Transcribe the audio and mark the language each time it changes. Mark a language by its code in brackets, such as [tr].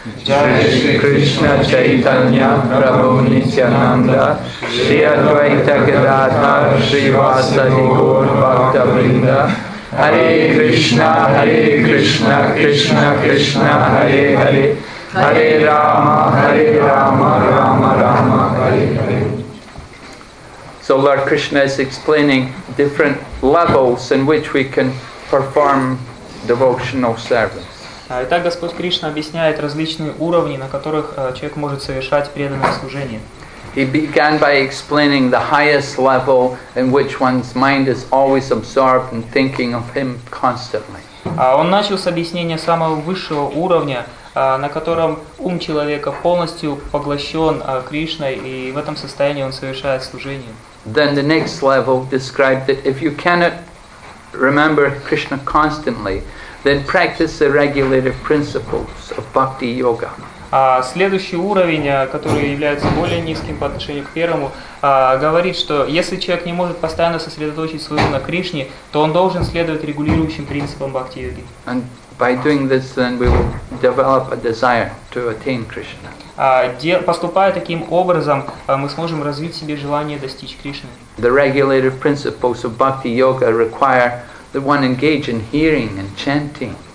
[sa] Джай Шри Кришна Чайтанья Прабху Нитьянанда Шри Адвайта Гададхар Шри Васади Гур Бхакта Вринда Хари Кришна Кришна Кришна Хари Хари Хари Рама Рама Рама Хари Хари. [en] So Lord Krishna is explaining different levels in which we can perform devotional service. [ru] Итак, Господь Кришна объясняет различные уровни, на которых человек может совершать преданное служение. [en] He began by explaining the highest level in which one's mind is always absorbed in thinking of him constantly. [ru] Он начал с объяснения самого высшего уровня, на котором ум человека полностью поглощен Кришной, и в этом состоянии он совершает служение. [en] Then the next level described that if you cannot remember Krishna constantly, then practice the regulative principles of bhakti yoga. [ru] Следующий уровень, который является более низким по отношению к первому, говорит, что если человек не может постоянно сосредоточить свой ум на Кришне, то он должен следовать регулирующим принципам бхакти йоги. [en] And by doing this, then we will develop a desire to attain Krishna. [ru] Поступая таким образом, мы сможем развить в себе желание достичь Кришны. [en] The regulative principles of bhakti yoga require that one engage in hearing and chanting.